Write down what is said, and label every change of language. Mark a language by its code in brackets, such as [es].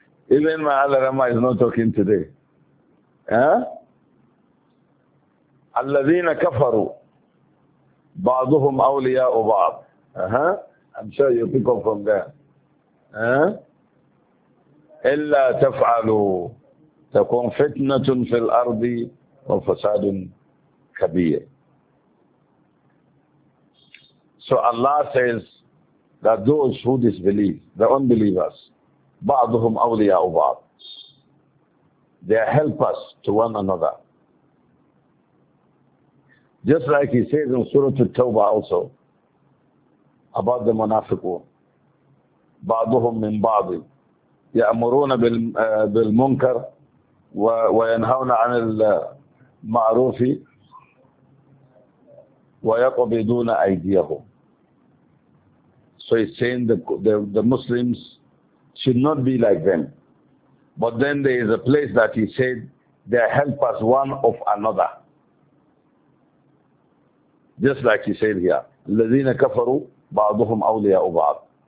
[en] Even my Allah Rama is not talking today. Huh? [ar] الَّذِينَ كَفَرُوا بَعْضُهُمْ أَوْلِيَاءُ بَعْضٍ [en] I'm sure you pick up from there. [ar] إلا تفعلوا تكون فتنة في الأرض وفساد كبير. [en] So Allah says that those who disbelieve, the unbelievers, [ar] بعضهم أولياء بعض, [en] they are helpers to one another. Just like He says in Surah At-Tawbah also about the munafiqun. [ar] بعضهم من بعض يأمرون بالمنكر وينهون عن المعروف ويقبضون أيديهم. [en] So he's saying the Muslims should not be like them. But then there is a place that he said they help us one of another. Just like he said here, [ar] الذين كفروا بعضهم أولياء بعض.